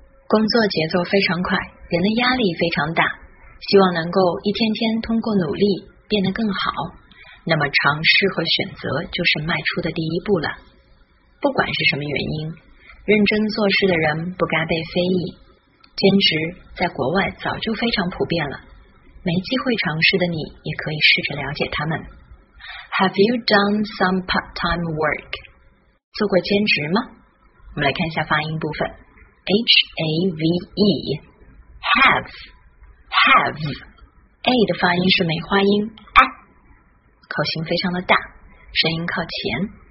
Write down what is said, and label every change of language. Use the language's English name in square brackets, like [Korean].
[Chinese] 工作节奏非常快，人的压力非常大，希望能够一天天通过努力变得更好，那么尝试和选择就是迈出的第一步了。不管是什么原因，认真做事的人不该被非议。兼职在国外早就非常普遍了，没机会尝试的你也可以试着了解他们。 [English] Have you done some part-time work? [Chinese] 做过兼职吗？我们来看一下发音部分， H-A-V-E Have A 的发音是梅花音、啊、口型非常的大，声音靠前。